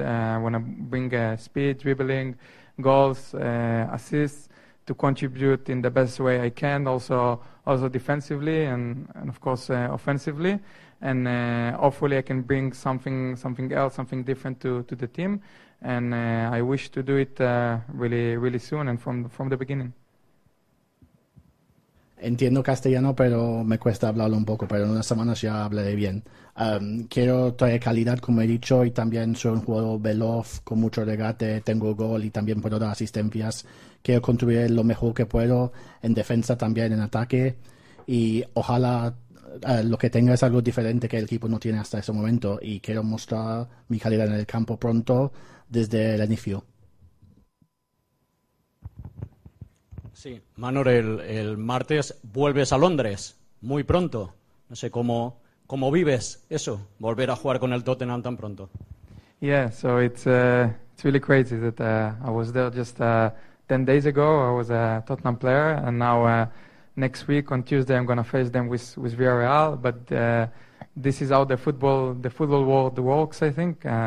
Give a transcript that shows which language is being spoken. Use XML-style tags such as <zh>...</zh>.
<en>I want to bring speed, dribbling, goals, assists, to contribute in the best way I can, also defensively, and of course offensively, and hopefully I can bring something else, something different to the team. And I wish to do it really, really soon and from the beginning.</en> <es>Entiendo castellano, pero me cuesta hablarlo un poco, pero en unas semanas ya hablaré bien. Quiero traer calidad, como he dicho, y también soy un jugador veloz, con mucho regate, tengo gol y también puedo dar asistencias. Quiero contribuir lo mejor que puedo en defensa, también en ataque, y ojalá lo que tenga es algo diferente que el equipo no tiene hasta ese momento, y quiero mostrar mi calidad en el campo pronto, desde el inicio. Sí, Manor, el martes vuelves a Londres, muy pronto. No sé cómo vives eso, volver a jugar con el Tottenham tan pronto.</es> <en>Yeah, so it's really crazy that I was there just 10 days ago, I was a Tottenham player, and now next week on Tuesday I'm going to face them with Villarreal. But this is how the football world works, I think.</en>